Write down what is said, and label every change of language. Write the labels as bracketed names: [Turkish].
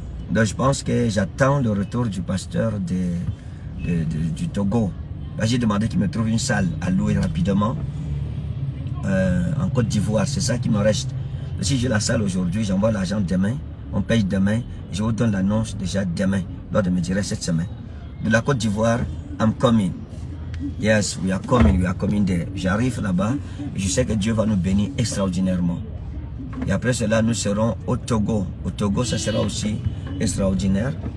[French] Donc je pense que j'attends le retour du pasteur du Togo. J'ai demandé qu'il me trouve une salle à louer rapidement en Côte d'Ivoire. C'est ça qui me reste. Si j'ai la salle aujourd'hui, j'envoie l'argent demain. On paye demain. Je vous donne l'annonce déjà demain. Lors de me dire cette semaine. De la Côte d'Ivoire, [English] I'm coming. Yes, we are coming. We are coming there. [French] J'arrive là-bas. Je sais que Dieu va nous bénir extraordinairement. Et après cela, nous serons au Togo. Au Togo, ça sera aussi extraordinaire.